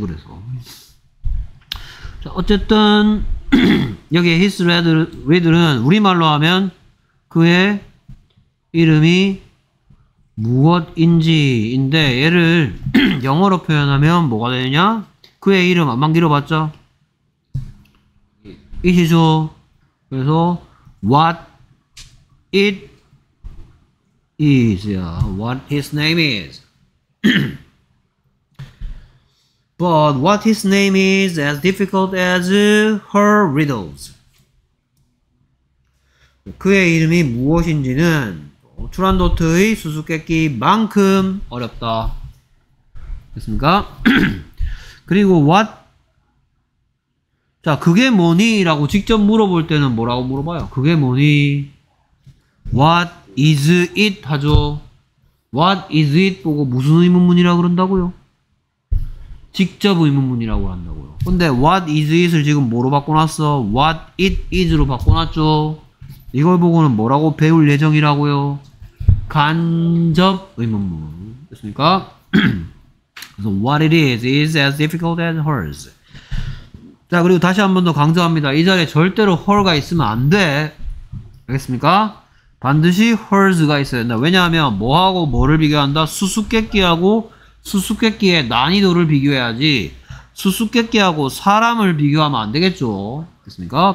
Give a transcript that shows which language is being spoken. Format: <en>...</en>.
<ko>그래서 자 어쨌든 여기에</ko> <en>his riddle</en> <ko>은 우리말로 하면 그의 이름이 무엇인지인데 얘를 영어로 표현하면 뭐가 되느냐? 그의 이름 안만 길어봤자 it이죠. 그래서</ko> <en>what it is, what his name is. But what his name is as difficult as her riddles.</en> <ko>그의 이름이 무엇인지는 트란도트의 수수께끼만큼 어렵다. 됐습니까? 그리고</ko> <en>what</en> <ko>자, 그게 뭐니? 라고 직접 물어볼 때는 뭐라고 물어봐요? 그게 뭐니?</ko> <en>What is it?</en> <ko>하죠.</ko> <en>What is it?</en> <ko>보고 무슨 의문문이라고 그런다고요? 직접 의문문이라고 한다고요. 근데</ko> <en>What is it?</en> <ko>을 지금 뭐로 바꿔놨어?</ko> <en>What it is?</en> <ko>로 바꿔놨죠. 이걸 보고는 뭐라고 배울 예정이라고요? 간접 의문문. 됐습니까?</ko> <en>So what it is as difficult as hers.</en> <ko>자, 그리고 다시 한 번 더 강조합니다. 이 자리에 절대로</ko> <en>her</en> <ko>가 있으면 안 돼. 알겠습니까? 반드시</ko> <en>hers</en> <ko>가 있어야 된다. 왜냐하면 뭐하고 뭐를 비교한다? 수수께끼하고 수수께끼의 난이도를 비교해야지 수수께끼하고 사람을 비교하면 안 되겠죠. 됐습니까?</ko>